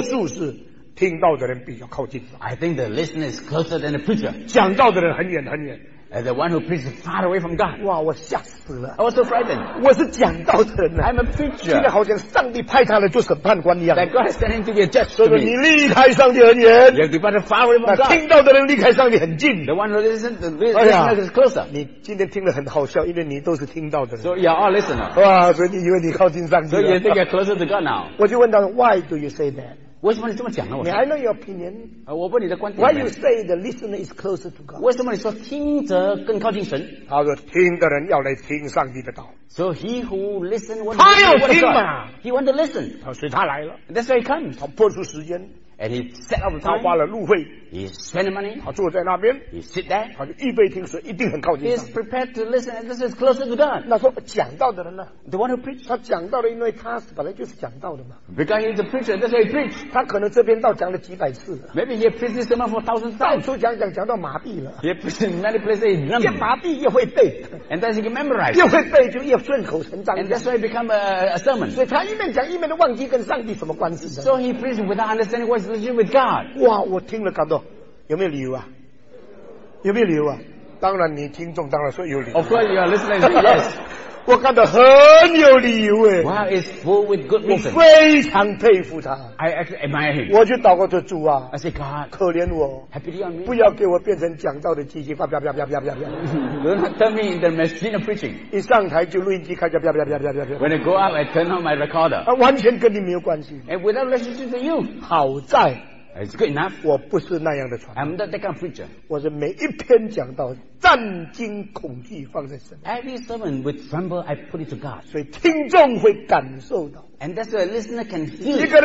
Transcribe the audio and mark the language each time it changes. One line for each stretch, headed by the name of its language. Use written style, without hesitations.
Chinese: 他说呢，我想多数是听到的人比较靠近。
English: I think the listener is closer than the preacher.
Chinese: 讲道的人很远很远。
English: And the one who preaches far away from God.
Chinese: 哇，我吓死了。
English: I was so frightened.
Chinese: 我是讲道的人呢。
English: I'm a preacher.
Chinese: 现在好像上帝派他来做审判官一样。
English: That God has sent him to be a judge to me.
Chinese: 所以说你离开上帝很远。
English: You have departed far away from God.
Chinese: 听到的人离开上帝很近。
English: The one who listens, the listener is closer.
Chinese: 你今天听得很好笑, 因为你都是听到的人。
English: So you're all listener.
Chinese: 哇，所以你以为你靠近上帝。
English: So you think you're closer to God now.
Chinese: 我就问他,
English: why do you say that?
Chinese: 为什么你这么讲呢？
English: I know your opinion.
Chinese: 我问你的观点。
English: Why you say the listener is closer to God?
Chinese: 为什么你说听者更靠近神？他说听的人要来听上帝的道。
English: So he who listens wants to hear what is God. He wants to listen.
Chinese: 所以他来了。
English: That's why he comes.
Chinese: 他破除时间。
English: And he set up the time.
Chinese: 他花了路费。
English: He spent the money.
Chinese: 他坐在那边。
English: He sit there.
Chinese: 他就预备听说一定很靠近神。
English: He is prepared to listen and this is closer to God.
Chinese: 那说讲道的人呢？
English: The one who preached.
Chinese: 他讲道的，因为他本来就是讲道的嘛。
English: Because he's a preacher, that's why he preached.
Chinese: 他可能这边道讲了几百次了。
English: Maybe he preached this sermon for thousands of times.
Chinese: 到处讲讲讲到麻痹了。
English: He preached in many places he's numb.
Chinese: 越麻痹越会背。
English: And then he can memorize.
Chinese: 越会背就越顺口成章。
English: And that's why he become a sermon.
Chinese: 所以他一面讲一面的忘记跟上帝什么关系。
English: So he preached without understanding what is religion with God.
Chinese: 哇，我听了感到。有没有理由啊？有没有理由啊？当然你听众当然说有理由。
English: Of course you are listening to yes.
Chinese: 我看到很有理由耶。
English: Wow, it's full with good reason.
Chinese: 我非常佩服他。
English: I actually admire him.
Chinese: 我就祷告着主啊。
English: I say God.
Chinese: 可怜我。
English: Have pity on me.
Chinese: 不要给我变成讲道的机器。啪啪啪啪啪啪啪啪。
English: Do not turn me into the machine of preaching.
Chinese: 一上台就录音机开始啪啪啪啪啪啪啪。
English: When I go up, I turn on my recorder.
Chinese: 完全跟你没有关系。
English: And without relationship to you.
Chinese: 好在。
English: It's good enough.
Chinese: 我不是那样的传.
English: I'm not that kind of preacher.
Chinese: 我是每一篇讲到战惊恐惧放在身上.
English: Every sermon with tremble, I put it to God.
Chinese: 所以听众会感受到.
English: And that's the listener can feel.